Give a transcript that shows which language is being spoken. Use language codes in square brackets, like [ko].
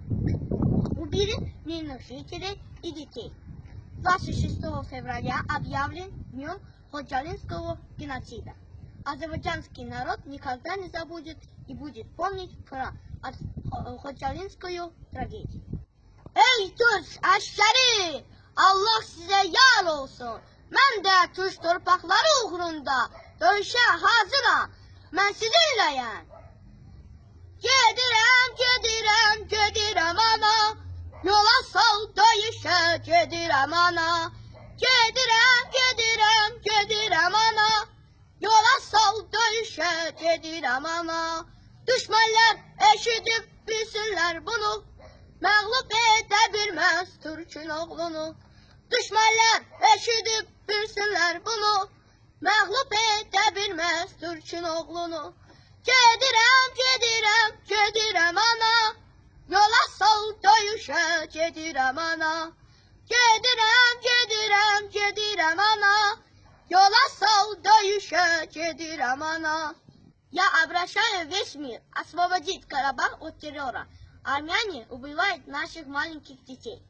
[ru] Убили мирных жителей и детей. 26 февраля объявлен днем Ходжалинского геноцида. Азербайджанский народ никогда не забудет и будет помнить про Ходжалинскую трагедию. Эй, Турс, Аш-Шари! [az] Аллах size yar olsun. Mən də Türk torpaqları uğrunda döyüşə hazıram. Mən sizinləyəm. Gedirəm, gedirəm, gedirəm ana. Yola sal döyüşə gedirəm ana. Gedirəm, gedirəm, gedirəm ana. Yola sal döyüşə gedirəm ana. Düşmənlər eşidib bilsinlər bunu. Məğlub edə bilməz Türkün oğlunu. Düşmənlər eşidib bilsinlər bunu, məğlub edə bilməz Türkün oğlunu. Gedirəm, gedirəm, gedirəm ana, yola sal döyüşə gedirəm ana. Gedirəm, gedirəm, gedirəm ana, yola sal döyüşə gedirəm ana. [ru] Я обращаю весь мир освободить Карабах от террора. Армяне убивают наших маленьких детей.